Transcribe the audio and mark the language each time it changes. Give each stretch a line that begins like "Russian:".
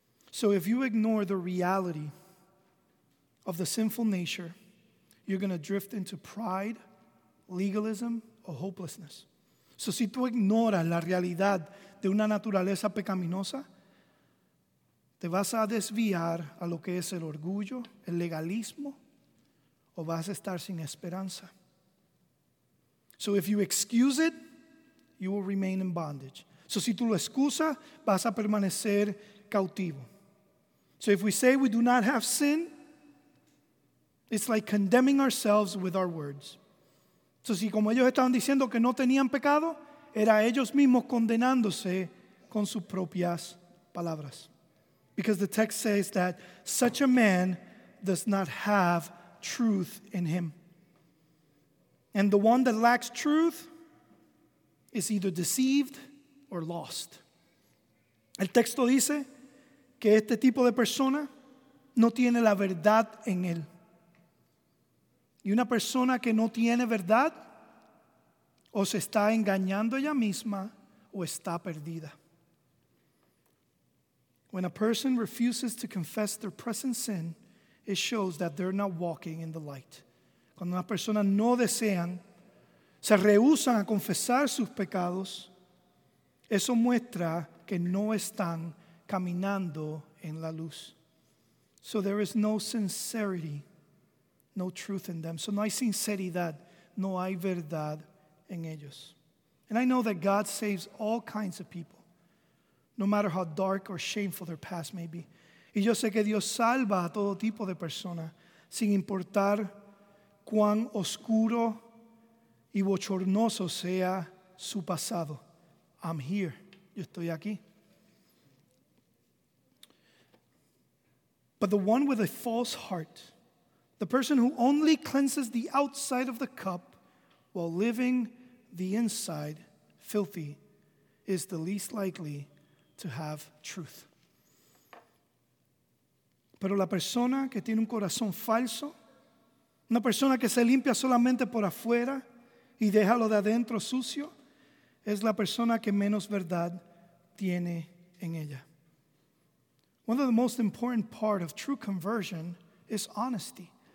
English: So if you ignore the reality of the sinful nature, you're going to drift into pride, legalism, or hopelessness.
Spanish: So si tú ignoras la realidad de una naturaleza pecaminosa, te vas a desviar a lo que es el orgullo, el legalismo, o vas a estar sin esperanza.
English: So if you excuse it, you will remain in bondage.
Spanish: So si tú lo excusas, vas a permanecer cautivo.
English: So if we say we do not have sin, it's like condemning ourselves with our words.
Spanish: So si como ellos estaban diciendo que no tenían pecado, era ellos mismos condenándose con sus propias palabras.
English: Because the text says that such a man does not have truth in him. And the one that lacks truth is either deceived or lost.
Spanish: El texto dice que este tipo de persona no tiene la verdad en él. Y una persona que no tiene verdad o se está engañando ella misma o está perdida.
English: When a person refuses to confess their present sin, it shows that they're not walking in the light.
Spanish: Cuando una persona no desean, se rehúsan a confesar sus pecados, eso muestra que no están caminando en la luz.
English: So there is no sincerity, no truth in them. So
Spanish: no hay sinceridad, no hay verdad en ellos.
English: And I know that God saves all kinds of people, no matter how dark or shameful their past may be.
Spanish: Y yo sé que Dios salva a todo tipo de persona, sin importar cuán oscuro y bochornoso sea su pasado.
English: I'm here.
Spanish: Yo estoy aquí.
English: But the one with a false heart, the person who only cleanses the outside of the cup while living the inside filthy, is the least likely to have truth.
Spanish: Pero la persona que tiene un corazón falso, una persona que se limpia solamente por afuera y deja lo de adentro sucio, es la persona que menos verdad tiene en ella.
English: One of the most important parts of true conversion is honesty.